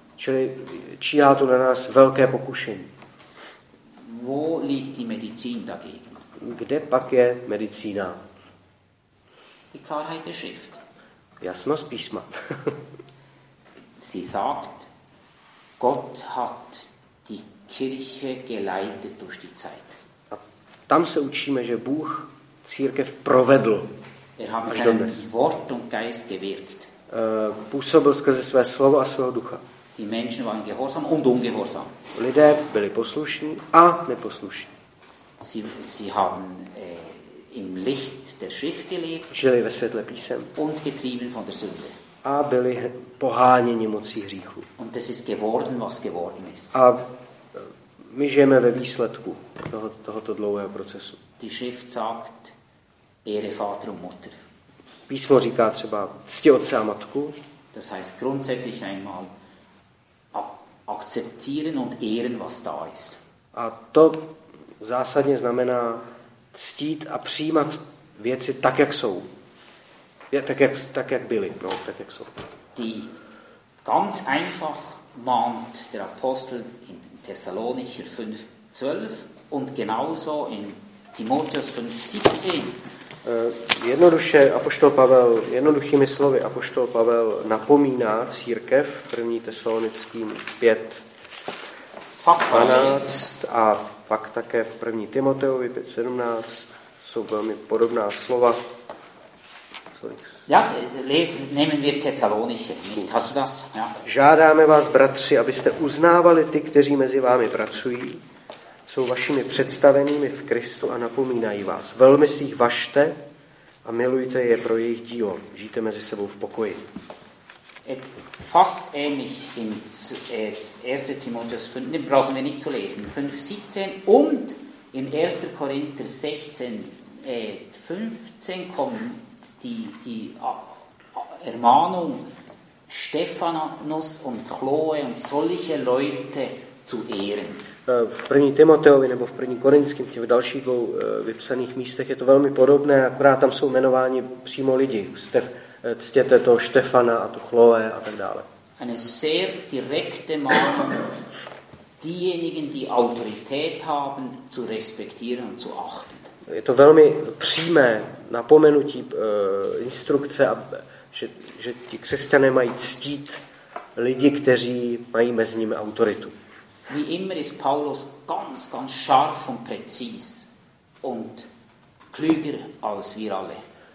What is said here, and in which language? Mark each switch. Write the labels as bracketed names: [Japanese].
[Czech] Čili číhá tu na nás velké pokušení. [German] Wo liegt die Medizin dagegen? [Czech] Kde pak je medicína? [German] Die Klarheit der Schrift. [Czech] Jasnost písma. [German] Sie sagt, Gott hat die Kirche geleitet durch die Zeit. [Czech] A tam se učíme, že Bůh církev provedl. [German] Er hat sein Wort und Geist gewirkt. [Czech] Působil skrze své slovo a svého ducha. [German] Die Menschen waren gehorsam und ungehorsam. [Czech] Lidé byli poslušní a neposlušní. [German] Sie haben im Licht der Schrift gelebt. [Czech] Žili ve světle písem. [German] Und getrieben von der Sünde. [Czech] A byli poháněni mocí hříchu. [German] Und das ist geworden, was geworden ist. [Czech] A my žijeme ve výsledku tohoto dlouhého procesu. [German] Die Schrift sagt, Ehre Vater und Mutter. [Czech] Písmo říká třeba cti otce a matku. [German] Das heißt grundsätzlich einmal akzeptieren und ehren, was da ist. [Czech] A to zásadně znamená ctít a přijímat věci tak, jak jsou. Ja, tak jak byly, no, tak jak jsou. [German] Die ganz einfach mahnt der Apostel in Thessalonicher 5:12 und genauso in Timotheus 5:17. [Czech] Jednoduše apoštol Pavel, jednoduchými slovy apoštol Pavel napomíná církev v 1. Tesalonickým 5:12 a pak také v 1. Timoteovi 5:17 jsou velmi podobná slova. [German] Ja, nehmen wir Thessalonicher, nicht? Hast du das? Ja. [Czech] Žádáme vás, bratři, abyste uznávali ty, kteří mezi vámi pracují, jsou vašimi představenými v Kristu a napomínají vás. Velmi si jich važte a milujte je pro jejich dílo. Žijte mezi sebou v pokoji. [German] Fast ähnlich in 1. Timotheus 5, ne, brauchen wir nicht zu lesen, 5:17 und in 1. Korinther 16:15 kommen die Ermahnung Stephanus und Chloe und solche Leute zu ehren. [Czech] V 1. Timoteovi nebo v 1. Korinském, v dalších dvou vypsaných místech je to velmi podobné, akorát tam jsou jmenováni přímo lidi. Ctěte toho Štefana a tu Chloe a tak dále. [German] Eine sehr direkte Mahnung, diejenigen, die Autorität haben, zu respektieren und zu achten. [Czech] Je to velmi přímé napomenutí, instrukce, že ti křesťané mají ctít lidi, kteří mají mezi nimi autoritu. [German] Wie immer ist Paulus ganz, ganz scharf und präzis und klüger als wir alle.